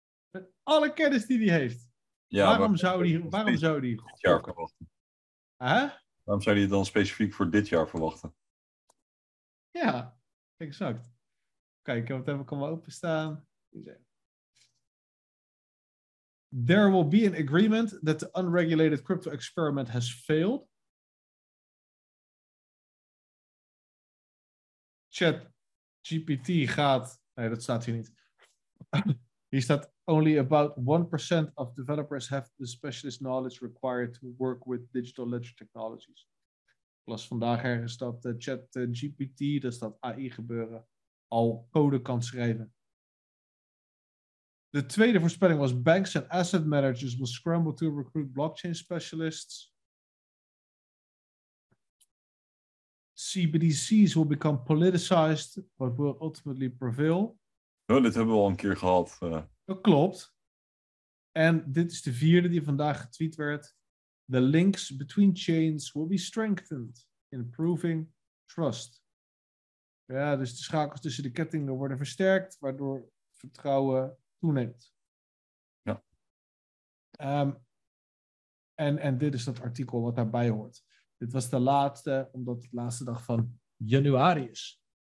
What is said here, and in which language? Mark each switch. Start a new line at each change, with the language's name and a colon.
Dutch: met alle kennis die hij heeft? Ja, waarom zou hij dit jaar kan wachten? Waarom zou hij het dan specifiek voor dit jaar verwachten? Ja, exact. Kijk, wat hebben we kunnen openstaan?
English: There will be an agreement that the unregulated crypto experiment has failed.
Dutch: Chat GPT gaat... Nee, dat staat hier niet. Hier staat...
English: Only about 1% of developers have the specialist knowledge required to work with digital ledger technologies.
Dutch: Plus vandaag ergens dat chat GPT, dus dat AI gebeuren, al code kan schrijven. De tweede voorspelling was
English: banks and asset managers will scramble to recruit blockchain specialists. CBDCs will become politicized, but will ultimately prevail.
Dutch: Oh, dit hebben we al een keer gehad. Dat klopt. En dit is de vierde die vandaag getweet werd.
English: The links between chains will be strengthened, improving trust.
Dutch: Ja, dus de schakels tussen de kettingen worden versterkt, waardoor vertrouwen toeneemt. Ja. En dit is dat artikel wat daarbij hoort. Dit was de laatste, omdat het de laatste dag van januari is.